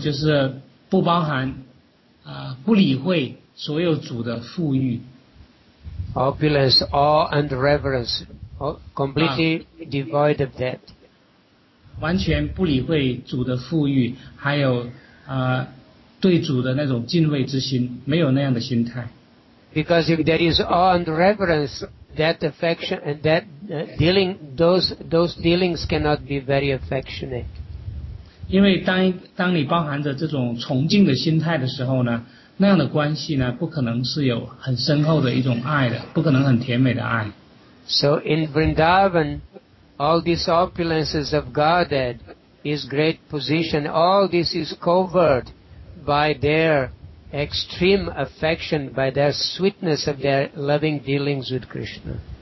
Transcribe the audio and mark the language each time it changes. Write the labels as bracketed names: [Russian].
[Chinese] 就是不包含不理会所有主的富裕。 [English] Opulence, awe and reverence. Completely devoid of that. [Chinese] 完全不理会主的富裕，还有对主的那种敬畏之心，没有那样的心态。 [English] Because if there is awe and reverence, that affection and that dealing, those dealings cannot be very affectionate. [Chinese] 因为当你包含着这种崇敬的心态的时候呢，那样的关系呢，不可能是有很深厚的一种爱的，不可能很甜美的爱。 [English] So in Vrindavan, all these opulences of Godhead, his great position, all this is covered by their extreme affection, by their sweetness of their loving dealings with Krishna.